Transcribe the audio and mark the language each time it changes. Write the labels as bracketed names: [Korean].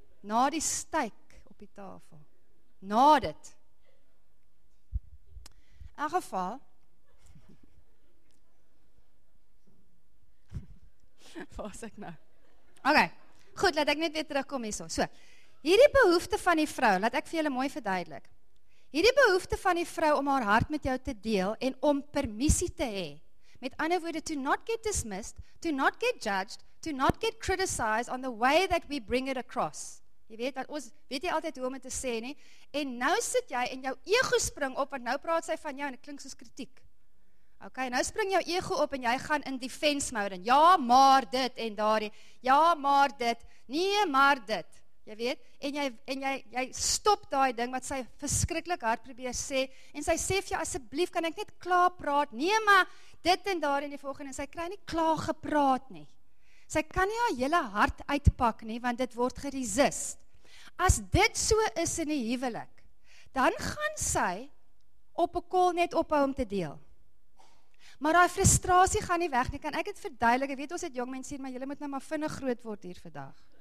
[Afrikaans] na die steik op die tafel, na dit, in geval, was ek nou, ok, goed, laat ek net weer terugkom hier so, hierdie behoefte van die vrou, laat ek vir julle mooi verduidelik, Hierdie behoefte van die vrou om haar hart met jou te deel en om permissie te hê. Met ander woorde, [English] to not get dismissed, to not get judged, to not get criticized on the way that we bring it across. [Afrikaans] Jy weet, dat ons weet jy altyd hoe om het te sê nie. En nou sit jy en jou ego spring op, want nou praat sy van jou en het klink soos kritiek. Ok, nou spring jou ego op en jy gaan in defense mode. En ja, maar dit en daarie. Ja, maar dit. Nee, maar dit. Jy weet, en jy stop daai ding wat sy verskriklik hard probeer sê. En sy sê vir jou, asseblief, kan ek net klaar praat? Nee, maar dit en daarie en die volgende. En sy kry nie klaar gepraat nie. Sy kan nie haar hele hart uitpak nie, want dit word geresist. As dit so is in die huwelik, dan gaan sy op 'n kol net ophou om te deel. Maar haar frustrasie gaan nie weg nie, kan ek het verduidelik, ek weet ons het jong mense hier, maar julle moet nou maar vinnig groot word hier vandag.